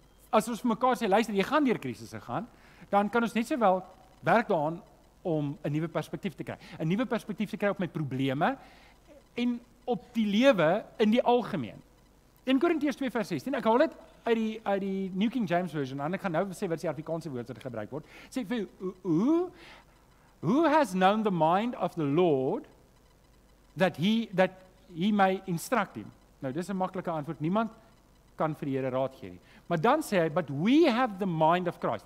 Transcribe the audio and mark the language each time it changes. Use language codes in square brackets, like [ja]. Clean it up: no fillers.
[af] As ons vir mekaar sê, luister, jy gaan deur krisisse gaan, dan kan ons net sowel werk daaraan om 'n nuwe perspektief te kry. 'N Nuwe perspektief te kry op my probleme en op die lewe in die algemeen. 1 Korintiërs 2:16. Ek haal dit uit die New King James Version. En ek kan nou sê wat die Afrikaanse woord wat gebruik word. Sê vir [en] who has known the mind of the Lord that he may instruct him. [af] Nou dis 'n maklike antwoord. Niemand kan vir die Here raad gee nie. Maar dan sê hy [en] but we have the mind of Christ.